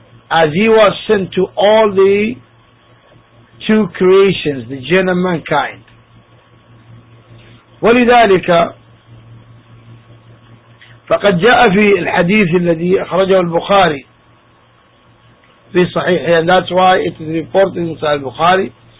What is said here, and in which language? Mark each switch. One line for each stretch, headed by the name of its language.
English: As he was sent to all the two creations, the jinn and mankind.
Arabic: ولذلك فقد جاء في الحديث الذي أخرجه البخاري في صحيحه.
English: And that's why it is reported in Sahih Bukhari.